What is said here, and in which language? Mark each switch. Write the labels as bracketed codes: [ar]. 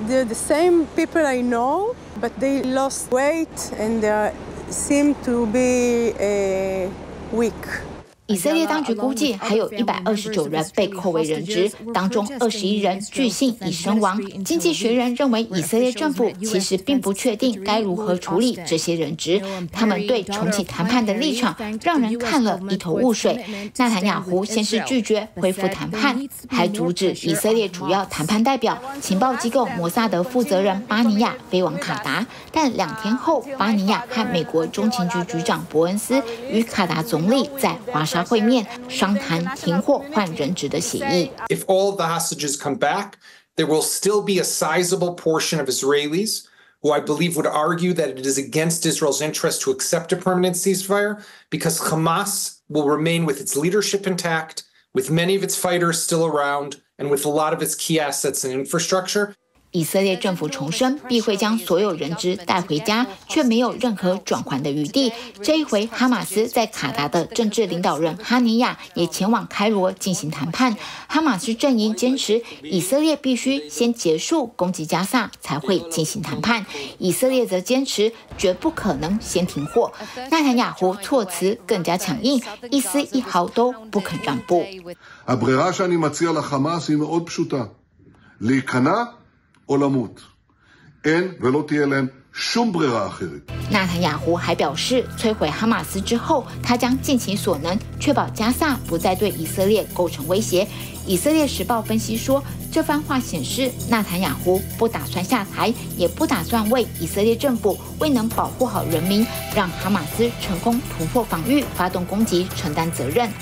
[en] They're the same people I know, but they lost weight and they seem to be weak. [zh] 以色列当局估计还有129人被扣为人质，当中21人据信已身亡。经济学人认为以色列政府其实并不确定该如何处理这些人质，他们对重启谈判的立场让人看了一头雾水。纳坦雅胡先是拒绝恢复谈判，还阻止以色列主要谈判代表、情报机构摩萨德负责人巴尼亚飞往卡达，但两天后巴尼亚和美国中情局局长伯恩斯与卡达总理在华沙会面，商谈停火换人质的协议。 [en] If all the hostages come back, there will still be a sizable portion of Israelis who I believe would argue that it is against Israel's interest to accept a permanent ceasefire because Hamas will remain with its leadership intact, with many of its fighters still around, and with a lot of its key assets and infrastructure. [zh] 以色列政府重申必会将所有人质带回家，却没有任何转圜的余地。这一回，哈马斯在卡达的政治领导人哈尼亚也前往开罗进行谈判。哈马斯阵营坚持，以色列必须先结束攻击加萨才会进行谈判。以色列则坚持绝不可能先停火。纳坦雅胡措辞更加强硬，一丝一毫都不肯让步。 [he] או למות. אין ולא תהיה להם שום ברירה אחרת. [zh] 纳坦雅胡还表示，摧毁哈马斯之后，他将尽其所能确保加萨不再对以色列构成威胁。以色列时报分析说，这番话显示纳坦雅胡不打算下台，也不打算为以色列政府未能保护好人民，让哈马斯成功突破防御发动攻击承担责任。